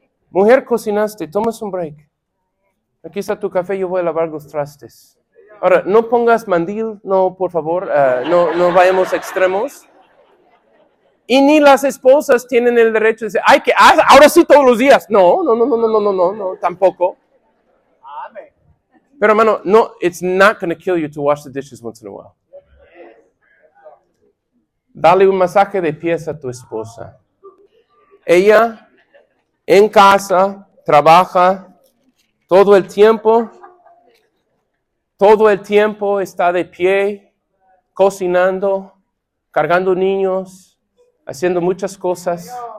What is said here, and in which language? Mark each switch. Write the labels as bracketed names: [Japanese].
[Spanish] Mujer, cocinaste, tomas un break. Aquí está tu café, yo voy a lavar los trastes. Ahora, no pongas mandil, no, por favor, no vayamos a extremos. Y ni las esposas tienen el derecho de decir, ay, que ahora sí todos los días. No, tampoco. Pero hermano, no, [English] it's not going to kill you to wash the dishes once in a while. [Spanish] Dale un masaje de pies a tu esposa. Ella en casa trabaja todo el tiempo. Todo el tiempo está de pie, cocinando, cargando niños, haciendo muchas cosas.